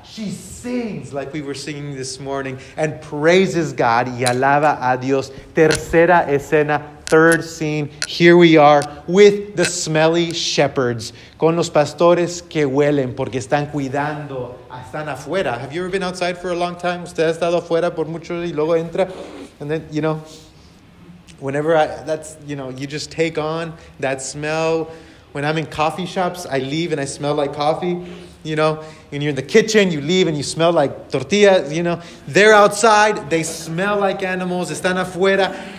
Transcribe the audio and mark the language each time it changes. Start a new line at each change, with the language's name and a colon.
English: She sings, like we were singing this morning, and praises God
Spanish: y alaba a Dios. Tercera escena,
English: third scene. Here we are with the smelly shepherds,
Spanish: con los pastores que huelen porque están cuidando, están afuera.
English: Have you ever been outside for a long time?
Spanish: Usted ha estado afuera por mucho y luego entra.
English: And then, you know, whenever you just take on that smell. When I'm in coffee shops, I leave and I smell like coffee, you know. When you're in the kitchen, you leave and you smell like tortillas, you know. They're outside, they smell like animals,
Spanish: están afuera.